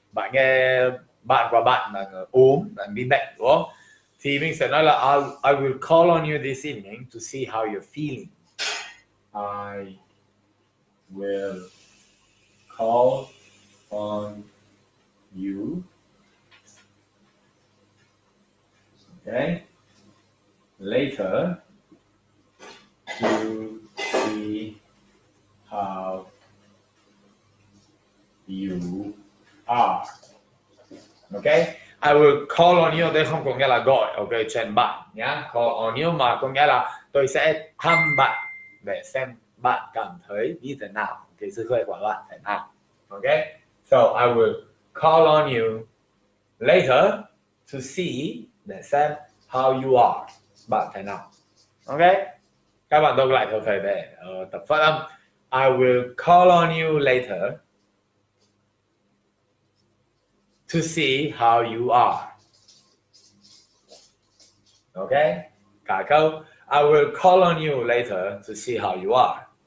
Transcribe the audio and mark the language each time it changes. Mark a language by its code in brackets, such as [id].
[vi] Bạn nghe bạn của bạn là ốm, đang bị bệnh, đúng không? Thì mình sẽ nói là [en] I will call on you this evening to see how you're feeling. I will call on you. Okay. Later to see how you are. Okay. I will call on you, [vi] đây không có nghĩa là gọi, ok, chuyện bạn nhá. [en] Call on you [vi] mà có nghĩa là tôi sẽ thăm bạn để xem bạn cảm thấy như thế nào, cái sức khỏe của bạn thế nào. [en] Ok, so I will call on you later to see, [vi] để xem [en] how you are, [vi] bạn thế nào. Ok, các bạn đọc lại thôi, phải về tập phát âm. [en] I will call on you later to see how you are. Okay? [vi] Cả câu, [en] I will call on you later to see how you are.